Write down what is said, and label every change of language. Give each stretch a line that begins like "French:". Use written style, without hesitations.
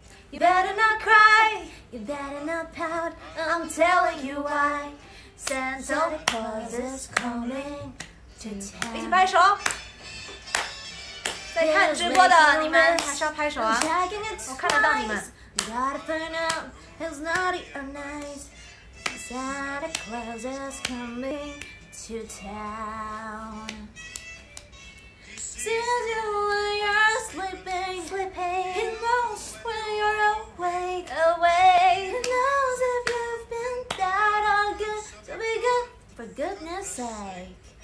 English: You better not cry, you better not pout, I'm telling you why. Santa Claus is coming to town.
Chinese: 一起拍手。在看直播的你们还是要拍手啊，我看得到你们。
English: You gotta find out who's naughty or nice. Santa Claus is coming to town. Since you when you're sleeping, he knows when you're awake. He knows if you've been bad or good, so be good for goodness sake.